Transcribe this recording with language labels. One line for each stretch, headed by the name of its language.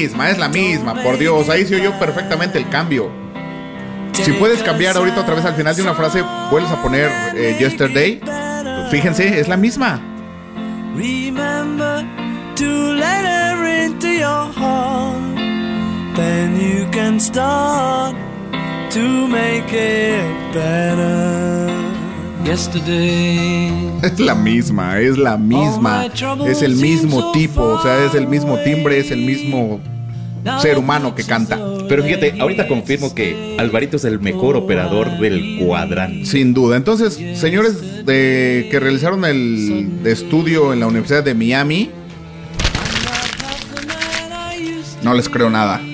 Spanish: Es la misma, por Dios. Ahí se oyó perfectamente el cambio. Si puedes cambiar ahorita otra vez al final de una frase, vuelves a poner Yesterday. Fíjense, es la misma.
English: Remember to let her into your heart. Then you can start to make it better.
Spanish: Yesterday. Es la misma. Es el mismo tipo, o sea, es el mismo timbre, es el mismo ser humano que canta. Pero fíjate, ahorita confirmo que Alvarito es el mejor operador del cuadrante. Sin duda. Entonces, señores de que realizaron el estudio en la Universidad de Miami, no les creo nada.